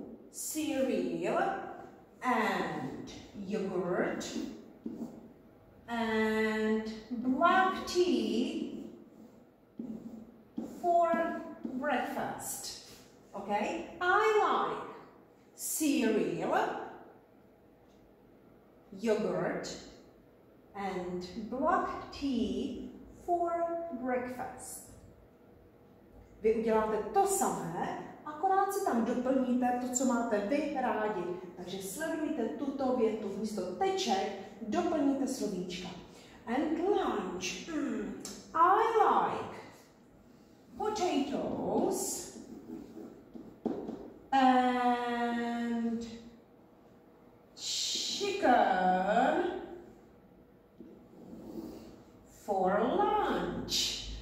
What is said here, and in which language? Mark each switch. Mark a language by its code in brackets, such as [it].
[en] Cereal and yogurt and black tea for breakfast. Okay? I like cereal, yogurt and black tea for breakfast. [cs] Vy uděláte to samé, akorát si tam doplníte to, co máte vy rádi. Takže sledujte tuto větu místo teček, doplníte slovíčka. [en] And lunch. I like potatoes and chicken for lunch.